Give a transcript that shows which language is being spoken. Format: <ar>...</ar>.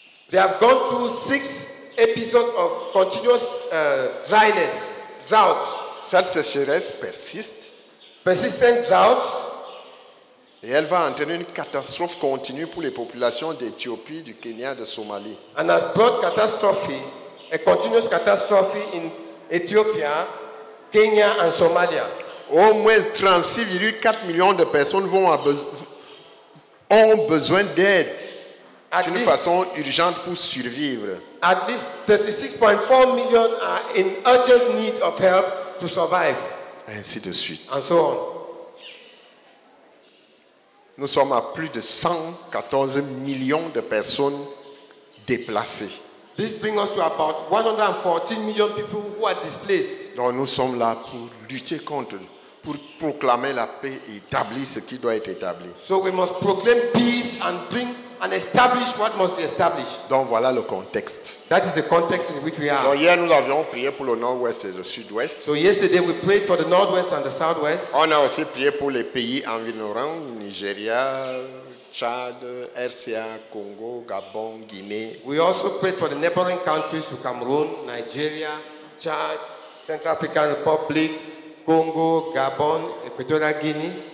<en>They have gone through 6 episodes of continuous dryness, drought.</en> <fr>Cette sécheresse persiste.</fr> <en>Persistent drought.</en> <fr>Et elle va entraîner une catastrophe continue pour les populations d'Éthiopie, du Kenya, de Somalie.</fr> <en>And has brought catastrophe, a continuous catastrophe in Ethiopia, Kenya and Somalia.</en> <fr>Au moins 36,4 millions de personnes ont besoin d'aide d'une façon urgente pour survivre.</fr> <en>At least 36.4 million are in urgent need of help to survive.</en> <fr>Et ainsi de suite.</fr> <en>And so on.</en> <fr>Nous sommes à plus de 114 millions de personnes déplacées.</fr> <en>This brings us to about 114 million people who are displaced.</en> <fr>Donc nous sommes là pour lutter contre, pour proclamer la paix et établir ce qui doit être établi.</fr> <en>So we must proclaim peace and bring and establish what must be established.</en> <fr>Donc voilà le contexte.</fr> <en>That is the context in which we are.</en> <fr>Donc hier nous avions prié pour le nord-ouest et le sud-ouest.</fr> <en>So yesterday we prayed for the northwest and the southwest.</en> <fr>On a aussi prié pour les pays environnants, Nigeria, Chad, RCA, Congo, Gabon, Guinée.</fr> <en>We also prayed for the neighboring countries to Cameroon, Nigeria, Chad, Central African Republic, Congo, Gabon, Equatorial Guinea.</en>